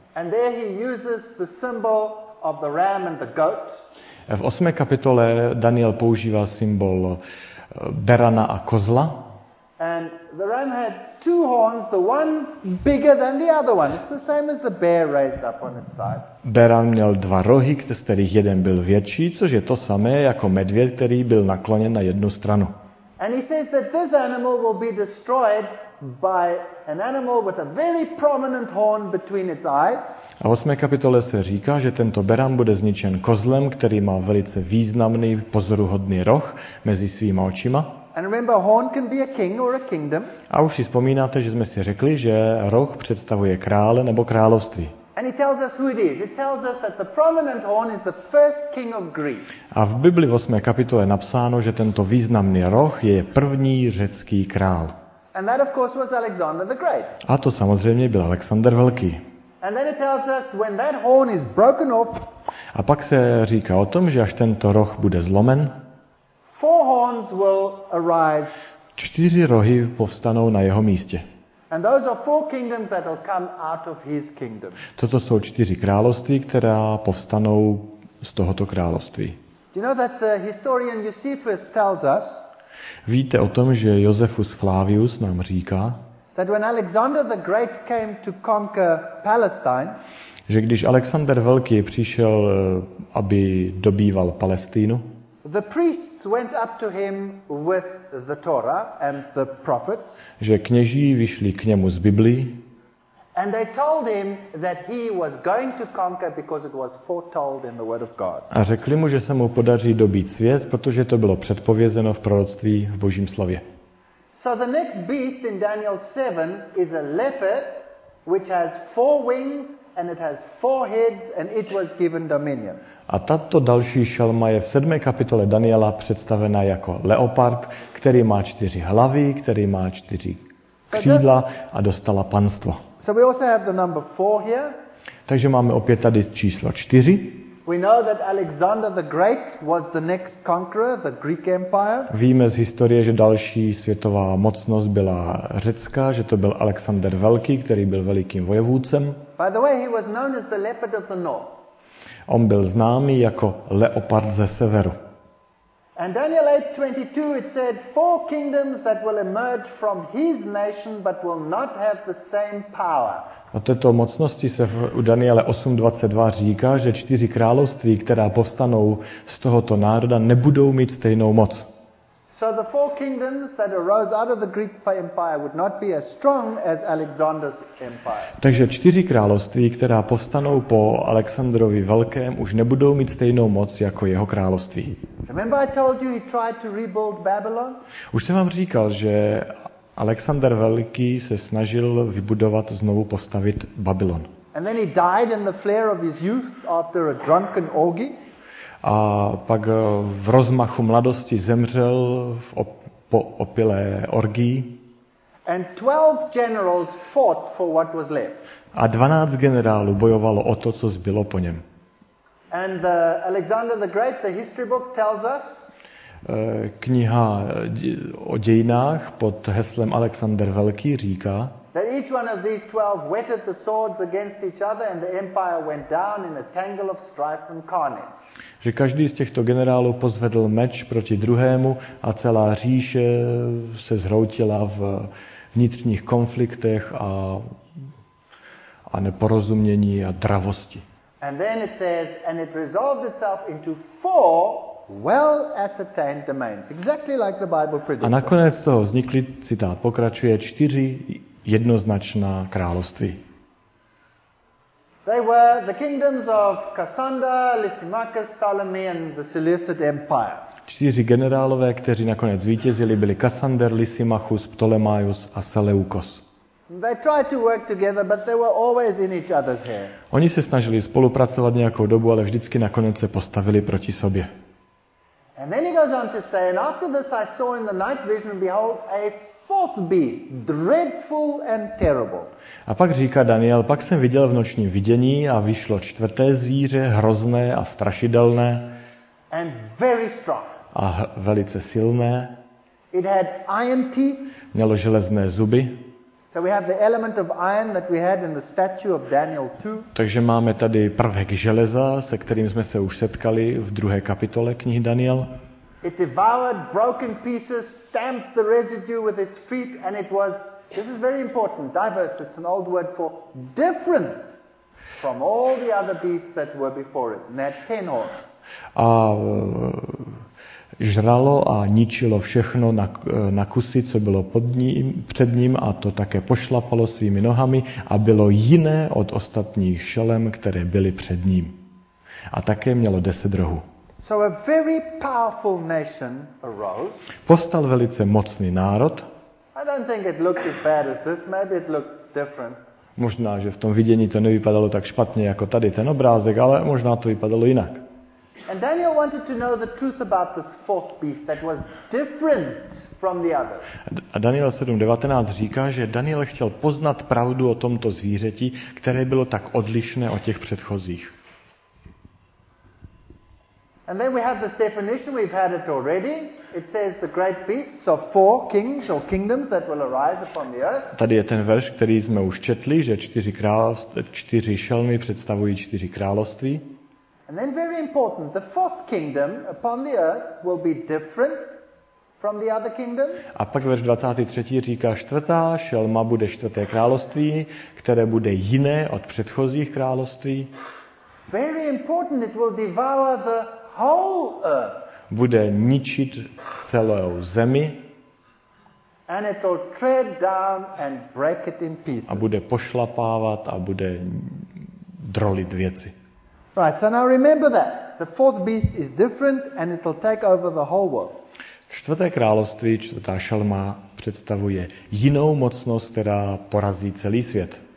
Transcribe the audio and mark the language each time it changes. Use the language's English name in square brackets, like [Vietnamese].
[English] And there he uses the symbol of the ram and the goat. [Czech] V 8. kapitole Daniel používá symbol berana a kozla. [English] And the ram had two horns, the one bigger than the other one. It's the same as the bear raised up on its side. [Czech] Beran měl dva rohy, z kterých jeden byl větší, což je to samé jako medvěd, který byl nakloněn na jednu stranu. [English] And he says that this animal will be destroyed by an animal with a very prominent horn between its eyes. [Czech] A v 8. kapitole se říká, že tento beran bude zničen kozlem, který má velice významný pozoruhodný roh mezi svýma očima. [English] And remember, horn can be a king or a kingdom. [Czech] A už si vzpomínáte, že jsme si řekli, že roh představuje krále nebo království. [English] And it tells us who it is. It tells us that the prominent horn is the first king of Greece. [Czech] A v Bibli 8. kapitole je napsáno, že tento významný roh je první řecký král. [English] And that of course was Alexander the Great. [Czech] A to samozřejmě byl Alexander Velký. [English] And then it tells us when that horn is broken up. [Czech] A pak se říká o tom, že až tento roh bude zlomen, [English] four horns will arise. [Czech] Čtyři rohy povstanou na jeho místě. [English] And those are four kingdoms that will come out of his kingdom. [Czech] Toto jsou čtyři království, která povstanou z tohoto království. [English] You know that the historian Josephus tells us. [Czech] Víte o tom, že Josephus Flavius nám říká, [English] that when Alexander the Great came to conquer Palestine, [Czech] že když Alexander Velký přišel, aby dobýval Palestínu, [English] the priests went up to him with the Torah and the prophets. [Czech] Že kněží vyšli k němu z Biblii. [English] And they told him that he was going to conquer because it was foretold in the word of God. [Czech] A řekli mu, že se mu podaří dobít svět, protože to bylo předpovězeno v proroctví v Božím slově. [English] So the next beast in Daniel 7 is a leopard which has four wings and it has four heads and it was given dominion. [Czech] A tato další šelma je v 7. kapitole Daniela představena jako leopard, který má čtyři hlavy, který má čtyři křídla a dostala panstvo. [English] So we also have the number 4 here. [Czech] Takže máme opět tady číslo 4. [English] We know that Alexander the Great was the next conqueror, the Greek Empire. [Czech] Víme z historie, že další světová mocnost byla řecká, že to byl Alexander Velký, který byl velikým vojevůdcem. [English] By the way, he was known as the Leopard of the North. [Czech] On byl známý jako leopard ze severu. [English] And Daniel 8:22 it said four kingdoms that will emerge from his nation but will not have the same power. [Czech] A této mocnosti se u Daniele 8:22 říká, že čtyři království, která povstanou z tohoto národa, nebudou mít stejnou moc. [English] So the four kingdoms that arose out of the Greek empire would not be as strong as Alexander's empire. [Czech] Takže čtyři království, která povstanou po Alexandrovi Velkém, už nebudou mít stejnou moc jako jeho království. [English] Remember I told you he tried to rebuild Babylon? [Czech] Už jsem vám říkal, že Alexander Velký se snažil vybudovat, znovu postavit Babylon. [English] And then he died in the flare of his youth after a drunken orgy. [Czech] A pak v rozmachu mladosti zemřel po opilé orgii. [English] And 12 generals fought for what was left. [Czech] A 12 generálů bojovalo o to, co zbylo po něm. [English] And the Alexander the Great, the history book tells us. [Czech] Kniha o dějinách pod heslem Alexander Velký říká. [English] That each one of these 12 whetted the swords against each other and the empire went down in a tangle of strife and carnage. [Czech] Že každý z těchto generálů pozvedl meč proti druhému a celá říše se zhroutila v vnitřních konfliktech a neporozumění a dravosti. [English] And then it says, and it resolved itself into four well ascertained domains, exactly like the Bible predicted. [Czech] A nakonec toho vznikly, citát pokračuje, čtyři jednoznačná království. [English] They were the kingdoms of Cassander, Lysimachus, Ptolemy and the Seleucid Empire. [Czech] Čtyři generálové, kteří nakonec zvítězili, byli Cassander, Lysimachus, Ptolemaios a Seleukos. [English] They tried to work together, but they were always in each other's hair. [Czech] Oni se snažili spolupracovat nějakou dobu, ale vždycky nakonec se postavili proti sobě. [English] And then he goes on to say, and after this I saw in the night vision, behold, a fourth beast, dreadful and terrible. [Czech] A pak říká Daniel, pak jsem viděl v nočním vidění a vyšlo čtvrté zvíře, hrozné a strašidelné. [English] And very strong. [Czech] A velice silné. [English] It had iron teeth. [Czech] Mělo železné zuby. [English] So we have the element of iron that we had in the statue of Daniel 2. [Czech] Takže máme tady prvek železa, se kterým jsme se už setkali v druhé kapitole knihy Daniel. [English] It devoured broken pieces, stamped the residue with its feet, and it was, this is very important, diverse, it's an old word for different from all the other beasts that were before it, and had 10 horns. [Czech] A žralo a ničilo všechno na kusy, co bylo před ním, a to také pošlapalo svými nohami a bylo jiné od ostatních šelem, které byly před ním. A také mělo 10 rohů. [English] So a very powerful nation arose. [Czech] Postal velice mocný národ. [English] I don't think it looked as bad as this. Maybe it looked different. [Czech] Možná, že v tom vidění to nevypadalo tak špatně jako tady ten obrázek, ale možná to vypadalo jinak. [English] And Daniel wanted to know the truth about this fourth beast that was different from the others. [Czech] A Daniel 7:19 říká, že Daniel chtěl poznat pravdu o tomto zvířeti, které bylo tak odlišné od těch předchozích. [English] And then we have this definition, we've had it already. It says the great beasts of four kings or kingdoms that will arise upon the earth. [Czech] Tady je ten verš, který jsme už četli, že čtyři šelmy představují čtyři království. [English] And then very important, the fourth kingdom upon the earth will be different from the other kingdoms. [Czech] A pak verš 23. říká, čtvrtá šelma bude čtvrté království, které bude jiné od předchozích království. [English] Very important, it will devour the whole earth. [Czech] Bude ničit celou zemi. [English] And it will tread down and break it in pieces. [Czech] A bude pošlapávat a bude drolit věci. [English] Right, so now remember that. The fourth beast is different and it will take over the whole world. [Czech] Čtvrté království, čtvrtá šelma, představuje jinou mocnost, která porazí celý svět.